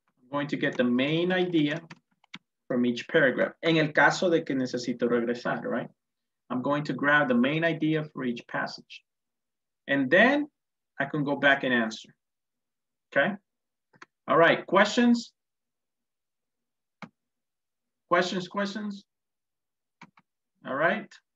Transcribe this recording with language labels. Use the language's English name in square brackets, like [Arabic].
[English] Going to get the main idea from each paragraph. [Spanish] En el caso de que necesito regresar, right? [English] I'm going to grab the main idea for each passage. And then I can go back and answer, okay? All right, questions? Questions, questions? All right.